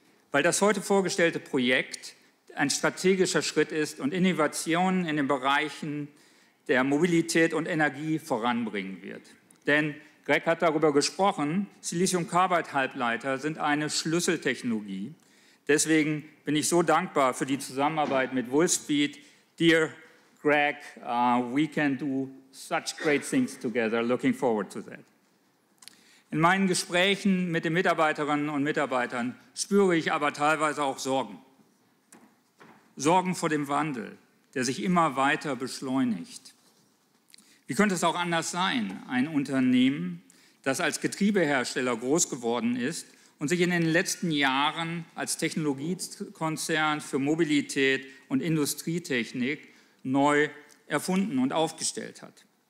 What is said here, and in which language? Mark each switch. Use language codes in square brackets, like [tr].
[de] Weil das heute vorgestellte Projekt ein strategischer Schritt ist und Innovationen in den Bereichen der Mobilität und Energie voranbringen wird. Denn Greg hat darüber gesprochen, Silicium-Carbide-Halbleiter sind eine Schlüsseltechnologie. Deswegen bin ich so dankbar für die Zusammenarbeit mit Wolfspeed. [en] Dear Greg, we can do such great things together. Looking forward to that. [de] In meinen Gesprächen mit den Mitarbeiterinnen und Mitarbeitern spüre ich aber teilweise auch Sorgen. Sorgen vor dem Wandel, der sich immer weiter beschleunigt. Wie könnte es auch anders sein, ein Unternehmen, das als Getriebehersteller groß geworden ist und sich in den letzten Jahren als Technologiekonzern für Mobilität und Industrietechnik neu erfunden und aufgestellt hat.